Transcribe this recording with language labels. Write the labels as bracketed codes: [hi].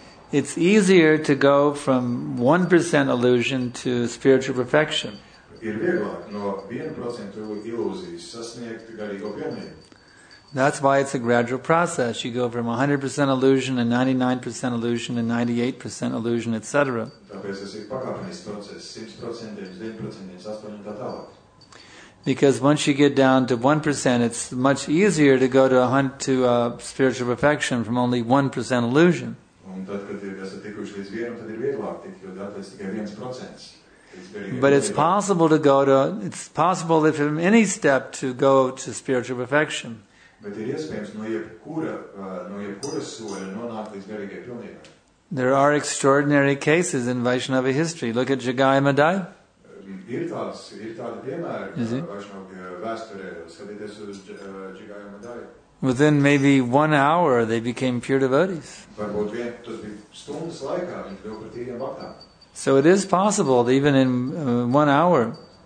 [en] It's easier to go from 1% illusion to spiritual perfection. [lv] Ir vieglāk no 1% ilūzijas sasniegt garīgo pilnību. [en] That's why it's a gradual process. You go from 100% illusion and 99% illusion and 98% illusion, etc. [lv] Tāpēc tas ir pakāpenis process, 100%, 99%, 98% tā tālāk. [en] Because once you get down to 1%, it's much easier to go to spiritual perfection from only 1% illusion. [lv] Un tad, kad esat tikuši līdz 1, tad ir vieglāk tikt, jo tāpēc tikai 1%. [en] But it's possible to go to, it's possible if in any step to go to spiritual perfection. [lv] Bet ir iespējams no jebkura soļa nonākt līdz garīgai pilnībai. [en] There are extraordinary cases in Vaishnava history. Look at Jagai Madai. [lv] Ir tādi piemēri Vaishnava vēsturē. Skatīties uz Jagai Madai. [en] Within maybe 1 hour they became pure devotees. [lv] Varbūt tas bija stundas laikā, viņi kļuva par tīriem bhaktām. [en] So it is possible, even in 1 hour.